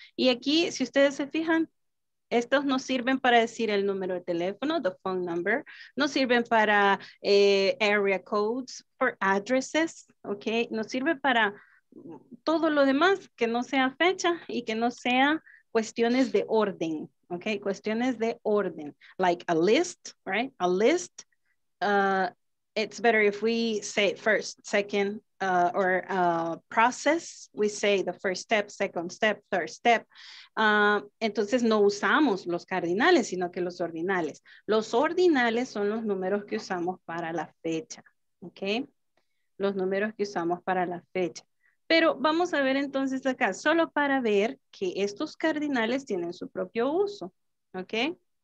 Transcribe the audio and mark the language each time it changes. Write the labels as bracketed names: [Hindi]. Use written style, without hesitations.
[Spanish] Y aquí, si ustedes se fijan, estos nos sirven para decir el número de teléfono, [English] the phone number. [Spanish] Nos sirven para area codes, [English] for addresses, [Spanish] ¿ok? Nos sirve para todo lo demás que no sea fecha y que no sea cuestiones de orden, ¿ok? Cuestiones de orden, [English] like a list, right? A list, it's better if we say first, second, or process, we say the first step, second step, third step. [Spanish] Entonces no usamos los cardinales, sino que los ordinales. Los ordinales son los números que usamos para la fecha, ¿ok? Los números que usamos para la fecha. Pero vamos a ver entonces acá, solo para ver que estos cardinales tienen su propio uso, ¿ok?